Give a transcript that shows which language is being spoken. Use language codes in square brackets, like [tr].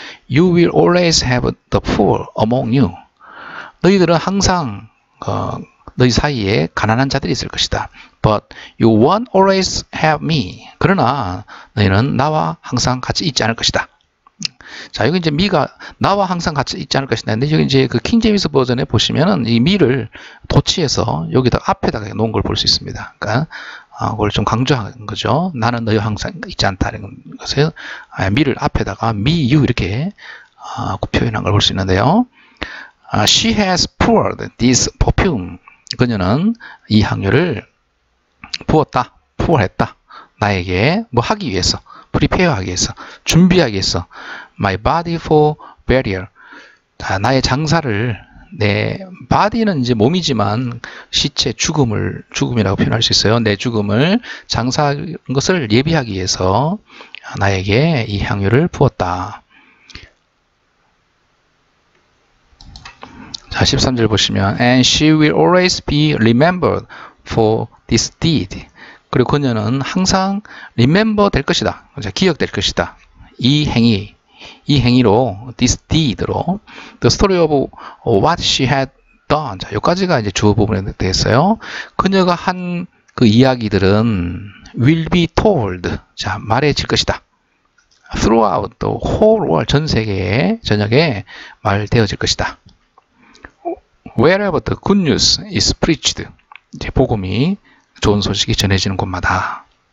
[en] You will always have the poor among you. [ko] 너희들은 항상 너희 사이에 가난한 자들이 있을 것이다. [en] But you won't always have me. [ko] 그러나 너희는 나와 항상 같이 있지 않을 것이다. 자, 여기 이제 me가 나와 항상 같이 있지 않을 것이다. 근데 여기 이제 그 킹제임스 버전에 보시면은 이 me를 도치해서 여기다가 앞에다가 놓은 걸볼수 있습니다. 그러니까 그걸 좀 강조한 거죠. 나는 너희 항상 있지 않다는 것을 me를 앞에다가 me you 이렇게 표현한 걸볼수 있는데요. [en] She has poured this perfume. [ko] 그녀는 이 향유를 부었다, [en] pour 했다. [ko] 나에게 뭐 하기 위해서, prepare 하기 위해서, 준비하기 위해서, [en] my body for burial. [ko] 자, 나의 장사를, 내 body는 이제 몸이지만 시체 죽음이라고 표현할 수 있어요. 내 죽음을 장사한 것을 예비하기 위해서 나에게 이 향유를 부었다. 자, 13절 보시면, [en] And she will always be remembered for this deed. [ko] 그리고 그녀는 항상 remember 될 것이다. 기억될 것이다. 이 행위로, [en] this deed로, the story of what she had done. [ko] 자, 여기까지가 이제 주어 부분에 대해서요. 그녀가 한그 이야기들은 [en] will be told. [ko] 자, 말해질 것이다. [en] throughout the whole world. [ko] 전 세계에, 전역에 말되어질 것이다. [en] Wherever the good news is preached, [ko] 이제 복음이 좋은 소식이 전해지는 곳마다.